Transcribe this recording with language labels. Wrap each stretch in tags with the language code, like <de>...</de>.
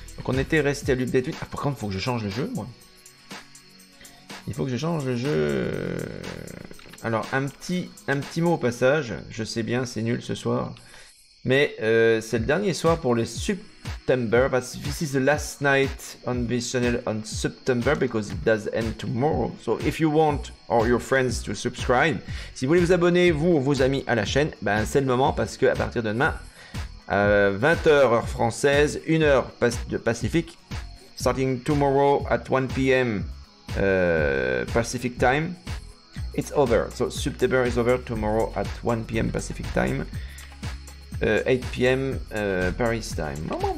<fr>qu'on était resté à l'update 8. Ah, par contre, faut que je change le jeu, moi. Il faut que je change le jeu. Alors, un petit mot au passage. Je sais bien, c'est nul ce soir. Mais c'est le dernier soir pour les September. Parce que</fr> <en>this is the last night on this channel on September. Because it does end tomorrow. So, if you want or your friends to subscribe.</en> <fr>Si vous voulez vous abonner, vous ou vos amis à la chaîne. Ben, c'est le moment parce que à partir de demain. 20h heure française, 1h Pacifique.</fr> <en>Starting tomorrow at 1 p.m. Pacific time. It's over. So September is over tomorrow at 1 p.m. Pacific time. 8 p.m. Paris time.</en>